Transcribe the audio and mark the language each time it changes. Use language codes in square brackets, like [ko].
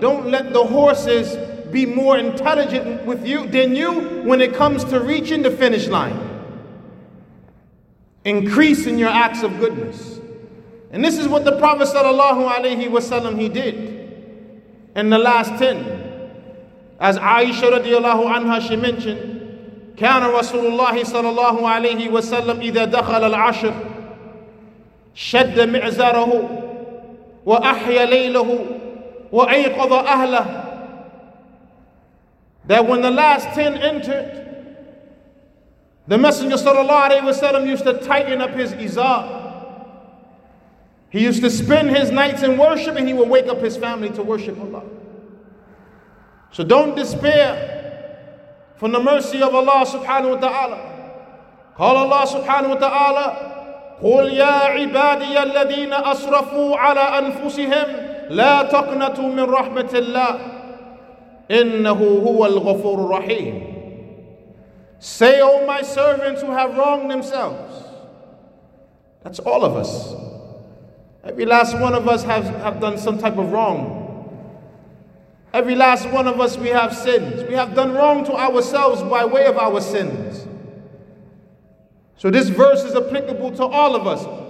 [en] Don't let the horses be more intelligent with you than you when it comes to reaching the finish line. Increase in your acts of goodness. And this is what the Prophet sallallahu alayhi wasallam he did in the last 10. As Aisha radiallahu anha, she mentioned, [ar] كَانَ رَسُولُ اللَّهِ صَلَى اللَّهُ عَلَيْهِ وَسَلَّمْ إِذَا دَخَلَ الْعَشْرِ شَدَّ مِعْزَرَهُ وَأَحْيَ لَيْلَهُ وَأَيْقَضَ أَهْلَهُ. [en] That when the last 10 entered, the Messenger sallallahu alayhi wasallam used to tighten up his izar. He used to spend his nights in worship, and he would wake up his family to worship Allah. So don't despair from the mercy of Allah subhanahu wa ta'ala. Call Allah subhanahu wa ta'ala, [ar] قُلْ يَا عِبَادِيَ الَّذِينَ أَصْرَفُوا عَلَىٰ أَنفُسِهِمْ لَا تَقْنَتُوا مِنْ رَحْمَةِ اللَّهِ إِنَّهُ هُوَ الْغَفُورُ الرَّحِيمُ. [en] Say, O my servants who have wronged themselves. That's all of us. Every last one of us have done some type of wrong. Every last one of us, we have sins. We have done wrong to ourselves by way of our sins. So this verse is applicable to all of us.